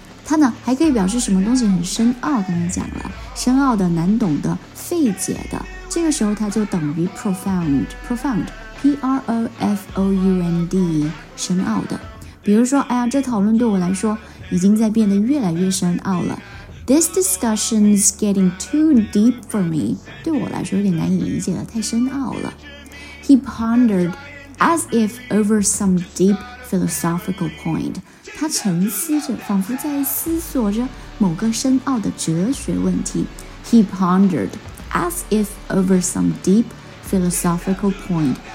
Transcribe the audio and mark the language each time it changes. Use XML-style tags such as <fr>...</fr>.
<zh>它呢还可以表示什么东西很深奥，刚才讲了深奥的、难懂的、费解的，这个时候它就等于 profound P-R-O-F-O-U-N-D 深奥的。比如说，哎呀，这讨论对我来说已经在变得越来越深奥了。</zh> <en>This discussion is getting too deep for me.</en> <zh>对我来说有点难以理解了，太深奥了。</zh> <en>He pondered as if over some deep philosophical point.</en> <zh>他沉思着，仿佛在思索着某个深奥的哲学问题。</zh> <en>He pondered as if over some deep philosophical point.</en>